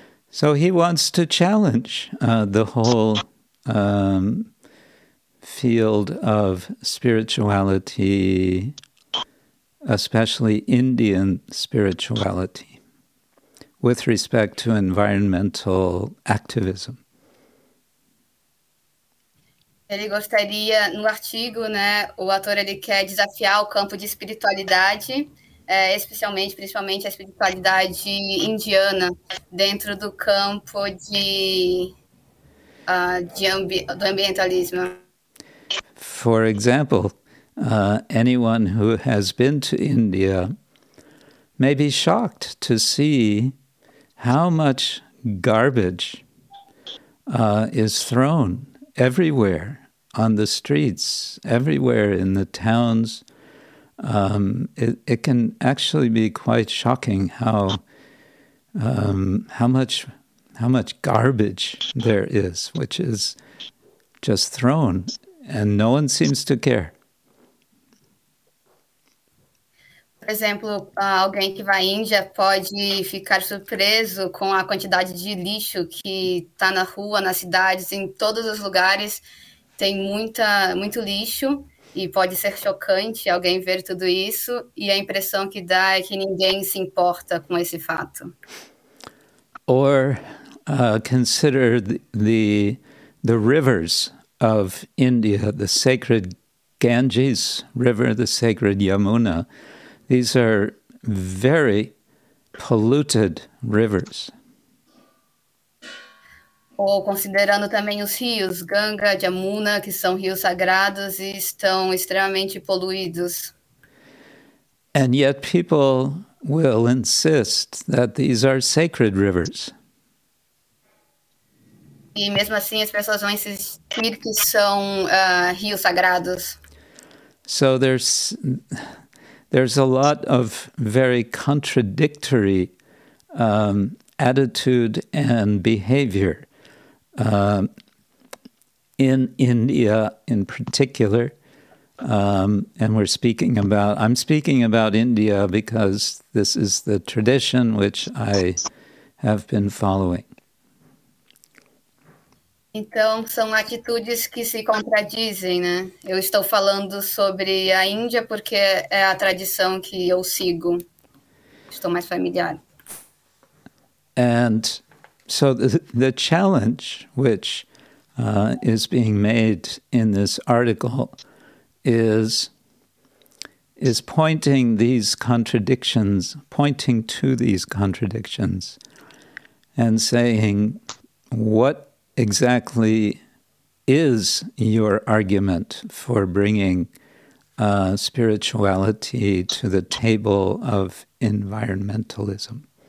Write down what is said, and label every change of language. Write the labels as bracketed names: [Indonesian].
[English] So he wants to challenge the whole field of spirituality, especially Indian spirituality, with respect to environmental activism. [Portuguese] Ele gostaria, no artigo, né, o autor, ele quer desafiar o campo de espiritualidade, especialmente, principalmente a espiritualidade indiana, dentro do campo do ambientalismo. [English] For example, anyone who has been to India may be shocked to see how much garbage is thrown everywhere on the streets, everywhere in the towns. It can actually be quite shocking how much garbage there is, which is just thrown. And no one seems to care. [Portuguese] Por exemplo, alguém que vai à Índia pode ficar surpreso com a quantidade de lixo que está na rua, nas cidades, em todos os lugares. Tem muito lixo e pode ser chocante alguém ver tudo isso. E a impressão que dá é que ninguém se importa com esse fato. [English] Or consider the rivers of India, the sacred Ganges River, the sacred Yamuna. These are very polluted rivers. [Portuguese] Ou considerando também os rios Ganga, Jamuna, que são rios sagrados e estão extremamente poluídos. [English] And yet people will insist that these are sacred rivers. [Portuguese] E mesmo assim as pessoas vão insistir que são rios sagrados. [English] So there's a lot of very contradictory attitude and behavior in India in particular. And I'm speaking about India because this is the tradition which I have been following. [Portuguese] Então, são atitudes que se contradizem, né? Eu estou falando sobre a Índia porque é a tradição que eu sigo. Estou mais familiar. [English] And so the challenge which is being made in this article is pointing to these contradictions and saying, what exactly is your argument for bringing spirituality to the table of environmentalism?